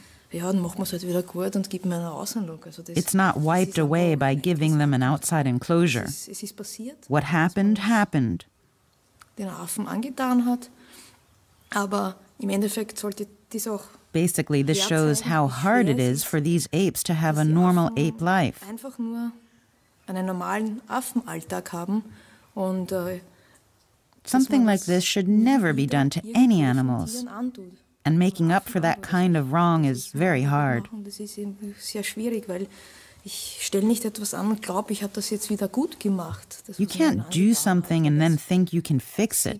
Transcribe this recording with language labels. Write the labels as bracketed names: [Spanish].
[English] It's not wiped away by giving them an outside enclosure. What happened, happened. [German] Den Affen angetan hat, aber im Endeffekt sollte dies auch. [English] Basically, this shows how hard it is for these apes to have a normal ape life. [German] Einfach nur einen normalen Affenalltag haben und. [English] Something like this should never be done to any animals. And making up for that kind of wrong is very hard. You can't do something and then think you can fix it.